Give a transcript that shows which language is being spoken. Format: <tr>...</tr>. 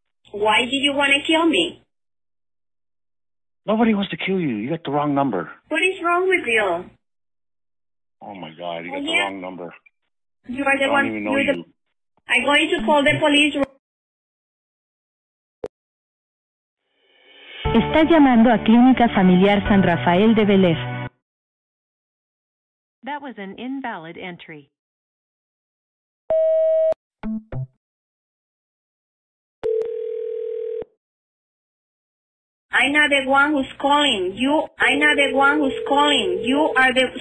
<en>Why did you want to kill me? Nobody wants to kill you. You got the wrong number. What is wrong with you? Oh, my God. You got the wrong number. You are the one. I don't even know you. I'm going to call the police.</en> <es>Está llamando a Clínica Familiar San Rafael de Belén.</es> <en>That was an invalid entry. I'm not the one who's calling you. I'm not the one who's calling. You are the...</en>